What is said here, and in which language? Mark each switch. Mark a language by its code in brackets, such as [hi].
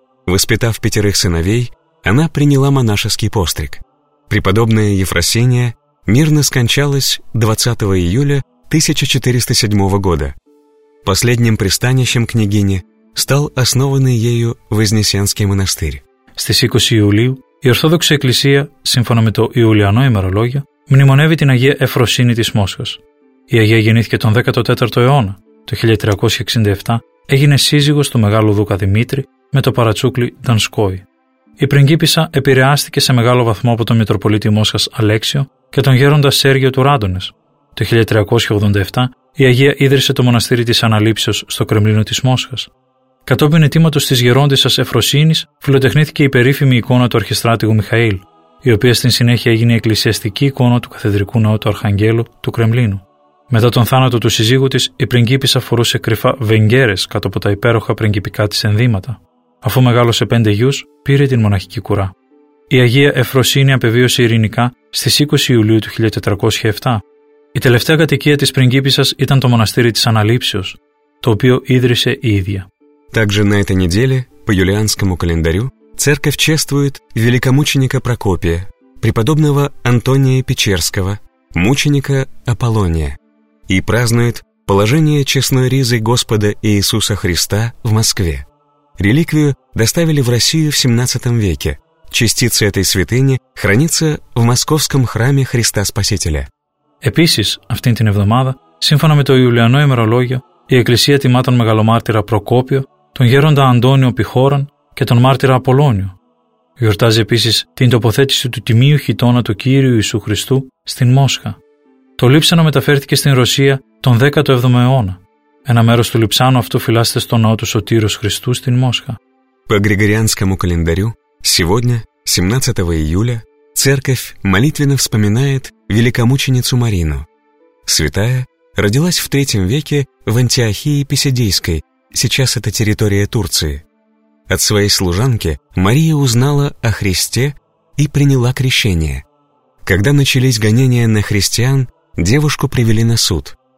[ru] Воспитав пятерых сыновей, она приняла монашеский постриг. Преподобная Ефросиния мирно скончалась 20 июля 1407 года. Последним пристанищем княгини стал основанный ею Вознесенский монастырь. [el] Στις 20 Ιουλίου, η Ορθόδοξη Εκκλησία, σύμφωνα με το Ιουλιανό ημερολόγιο, μνημονεύει την Αγία Εφροσύνη της Μόσχας. Η Αγία γεννήθηκε τον 14ο αιώνα. Το 1367 έγινε σύζυγος του Μεγάλου Δούκα Δημήτρη με το παρατσούκλι Δανσκόη. Η πριγκίπισσα επηρεάστηκε σε μεγάλο βαθμό από τον Μητροπολίτη Μόσχας Αλέξιο και τον Γέροντα Σέργιο του Ράντονες. Το 1387 η Αγία ίδρυσε το μοναστήρι της Αναλήψεως στο Κρεμλίνο της Μόσχας. Κατόπιν αιτήματος της γερόντισσας Εφροσύνης φιλοτεχνήθηκε η περίφημη εικόνα του αρχιστράτηγου Μιχαήλ, η οποία στην συνέχεια έγινε η εκκλησιαστική εικόνα του καθεδρικού ναού του Αρχαγγέλου του Κρεμλίνου. Μετά τον θάνατο του σύζυγου της, η πριγκίπισσα φορούσε κρυφά βενγκέρες κάτω από τα υπέροχα πριγκιπικά της ενδύματα. Αφού μεγάλωσε 5 γιους, πήρε την μοναχική κουρά. Η Αγία Εφροσύνη απεβίωσε ειρηνικά στις 20 Ιουλίου του 1407. Η τελευταία κατοικία της πριγκίπισσας ήταν το μοναστήρι της Αναλήψεως, το οποίο ίδρυσε η ίδια. [ru] Также на этой неделе, по юлианскому календарю, церковь чествует великомученика Прокопия, преподобного Антония Печерского, мученика Аполлония, и празднует положение честной ризы Господа Иисуса Христа в Москве. Реликвию доставили в Россию в 17 веке. Частица этой святыни хранится в Московском храме Христа Спасителя. [el] Επίσης, αυτήν την εβδομάδα, σύμφωνα με το Ιουλιανό ημερολόγιο, η Εκκλησία τιμά τον μεγαλομάρτυρα Προκόπιο, τον γέροντα Αντώνιο Πιχώραν και τον μάρτυρα Απολώνιο. Γιορτάζει επίσης την τοποθέτηση του τιμίου χιτώνα του Κύριου Ιησού Χριστού στην Μόσχα. Το Λείψανο μεταφέρθηκε στην Ρωσία τον 17ο αιώνα. Ένα μέρος του Λείψανου αυτού φυλάσσεται στο ναό του Σωτήρος Χριστού στην Μόσχα. [ru] По Григорианскому календарю, сегодня, 17 июля, церковь молитвенно вспоминает великомученицу Марину. Святая родилась в 3 веке в Антиохии Писидийской, сейчас это территория Турции. От своей служанки Мария узнала о Христе и приняла крещение. Когда начались гонения на христиан, девушку привели на суд.